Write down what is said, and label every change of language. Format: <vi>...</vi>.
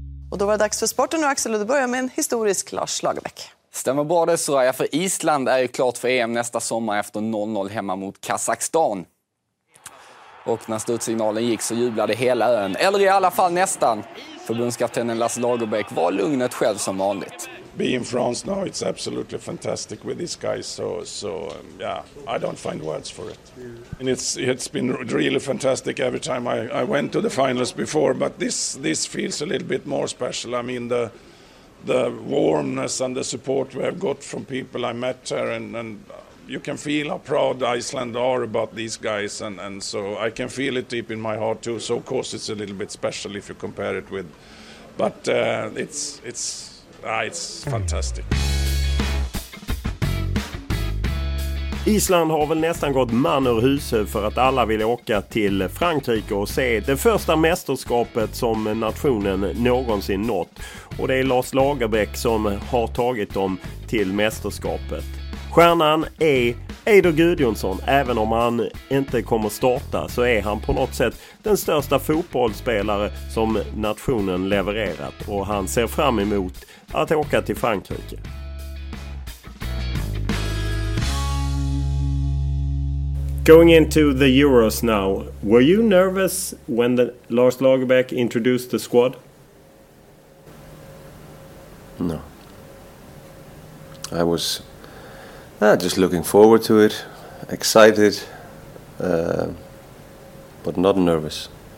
<sv>Och då var det dags för sporten nu, Axel, och du börjar med en historisk Lars Lagerbäck. Stämmer bra det, Soraya, för Island är ju klart för EM nästa sommar efter 0-0 hemma mot Kazakstan. Och när slutsignalen gick så jublade hela ön, eller i alla fall nästan. Förbundskaptenen Lars Lagerbäck var lugnet själv som vanligt.</sv> <en>Being in France now, it's absolutely fantastic with these guys, so I don't find words for it. And it's been really fantastic every time I went to the finals before, but this feels a little bit more special. I mean, the warmness and the support we have got from people I met there, and you can feel how proud Iceland are about these guys, and so I can feel it deep in my heart too. So of course it's a little bit special if you compare it with, but it's fantastic.</en> <sv>Island har väl nästan gått man ur huset för att alla vill åka till Frankrike och se det första mästerskapet som nationen någonsin nått. Och det är Lars Lagerbäck som har tagit dem till mästerskapet. Stjärnan är Eider Gudjonsson. Även om han inte kommer starta så är han på något sätt den största fotbollsspelare som nationen levererat. Och han ser fram emot att åka till Frankrike.</sv> <en>Going into the Euros now, were you nervous when Lars Lagerbäck introduced the squad? No. I was just looking forward to it, excited, but not nervous.</en>